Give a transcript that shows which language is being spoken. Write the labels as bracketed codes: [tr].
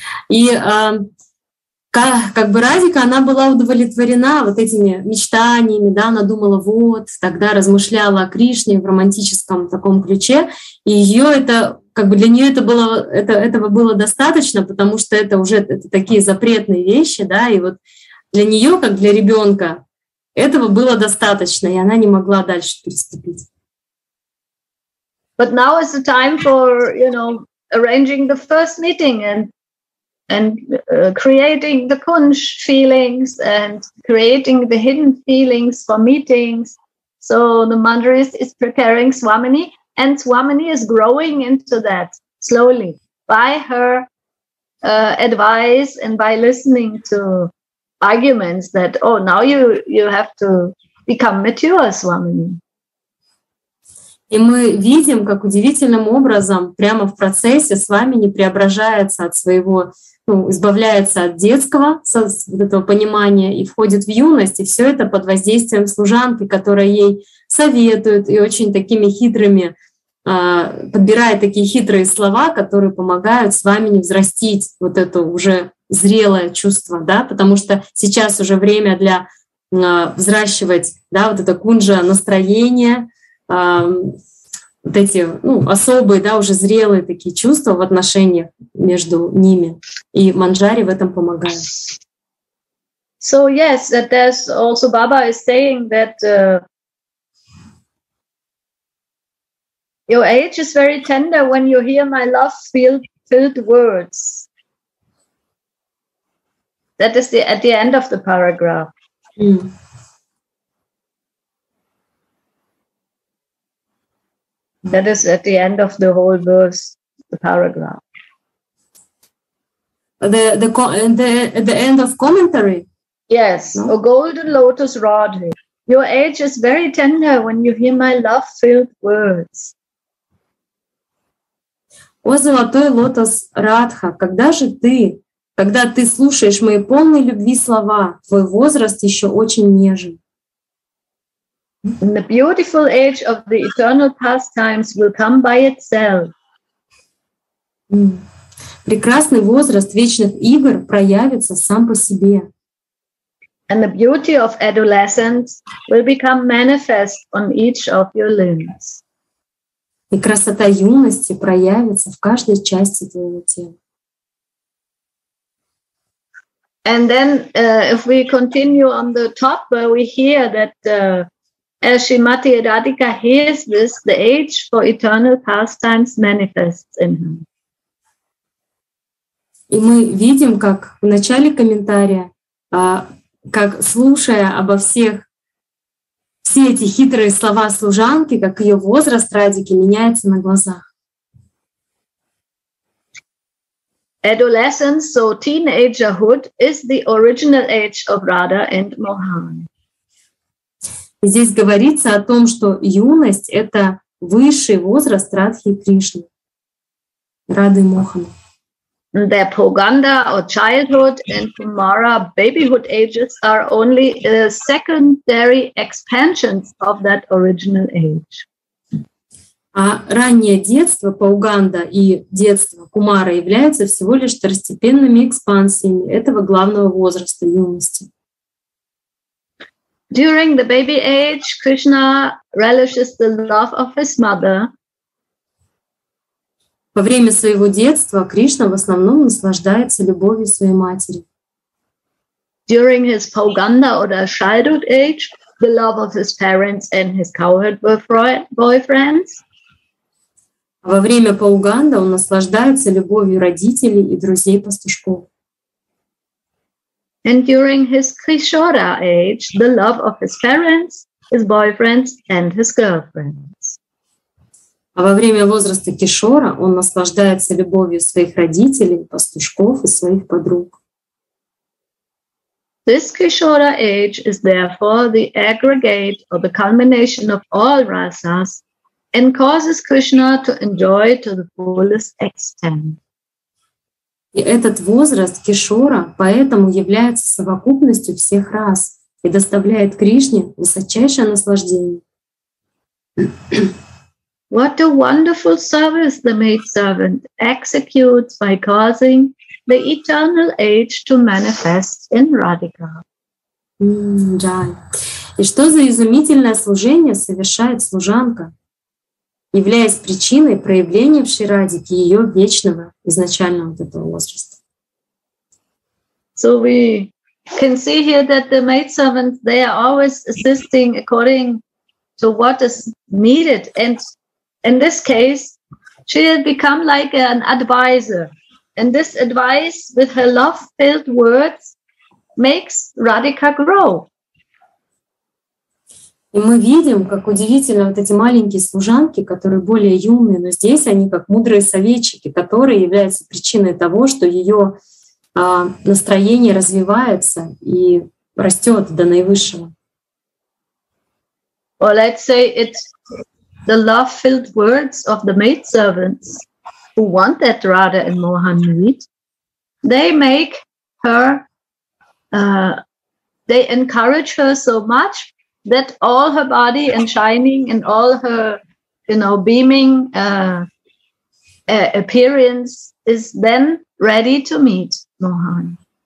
[ru] И как бы Радика, она была удовлетворена вот этими мечтаниями, да, она думала, вот, тогда размышляла о Кришне в романтическом таком ключе, и ее это, как бы для нее это было, этого было достаточно, потому что это уже это такие запретные вещи, да, и вот для нее, как для ребенка, этого было достаточно, и она не могла дальше переступить. [en] But now is the time for, you know, arranging the first meeting and creating the kunsh feelings and creating the hidden feelings for meetings. So the Manjari is preparing Swamini, and Swamini is growing into that slowly by her advice and by listening to arguments that, oh, now you have to become mature, Swamini. [ru] И мы видим, как удивительным образом прямо в процессе Свамини преображается от своего, ну, избавляется от детского вот этого понимания и входит в юность, и все это под воздействием служанки, которая ей советует и очень такими хитрыми, подбирает такие хитрые слова, которые помогают Свамини взрастить вот это уже зрелое чувство, да, потому что сейчас уже время для взращивать, да, вот это кунжа настроение, вот эти, ну, особые, да, уже зрелые такие чувства в отношениях между ними. И Манджари в этом помогает. [en] So, yes, that there's also Baba is saying that your age is very tender when you hear my love-filled words. That is at the end of the paragraph. Mm. That is at the end of the whole verse, the paragraph. The end of commentary. Yes, no? A golden lotus rod. Your age is very tender when you hear my love-filled words. [ru] О, золотой лотос Радха, когда же ты, когда ты слушаешь мои полные любви слова, твой возраст еще очень нежен. [en] And the beautiful age of the eternal pastimes will come by itself. [ru] Прекрасный возраст вечных игр проявится сам по себе. [en] And the beauty of adolescence will become manifest on each of your limbs. [ru] И красота юности проявится в каждой части твоего тела. [en] And then if we continue on the top, where we hear that as Shrimati Radhika hears this, the age for eternal pastimes manifests in her. [ru] И мы видим, как в начале комментария, как слушая обо всех, все эти хитрые слова служанки, как ее возраст Радики меняется на глазах. [en] Adolescence, so teenagerhood, is the original age of Radha and Mohan. [ru] И здесь говорится о том, что юность — это высший возраст Радхи и Кришны, Рады и Мохана. [en] The Poganda or childhood and Kumara babyhood ages are only secondary expansions of that original age. [ru] А раннее детство Пауганда и детство Кумара являются всего лишь второстепенными экспансиями этого главного возраста юности. [en] During the baby age, Krishna relishes the love of his mother. [ru] Во время своего детства Кришна в основном наслаждается любовью своей матери. [en] During his Pauganda or childhood age, the love of his parents and his cowherd boyfriends. [ru] Во время Пауганда он наслаждается любовью родителей и друзей пастушков. [en] And during his Kishora age, the love of his parents, his boyfriends and his girlfriends. [ru] А во время возраста Кишора он наслаждается любовью своих родителей, пастушков и своих подруг. [en] This Kishora age is therefore the aggregate or the culmination of all rasas and causes Krishna to enjoy to the fullest extent. [ru] И этот возраст Кишора поэтому является совокупностью всех рас и доставляет Кришне высочайшее наслаждение. [en] What a wonderful service the maidservant executes by causing the eternal age to manifest in Radhika. [ru] Да. И что за изумительное служение совершает служанка, являясь причиной проявления в Шрирадике ее вечного изначального вот этого возраста. [en] So we can see here that the maidservants, they are always assisting according to what is needed. And in this case, she had become like an advisor. And this advice with her love-filled words makes Radhika grow. [ru] И мы видим, как удивительно вот эти маленькие служанки, которые более юные, но здесь они как мудрые советчики, которые являются причиной того, что ее настроение развивается и растет до наивысшего. [en] Well, let's say it's the love-filled words of the maidservants who want that Radha and Mohan meet, they make her, they encourage her so much that all her body and shining and all her, you know, beaming appearance is then ready to meet Mohan.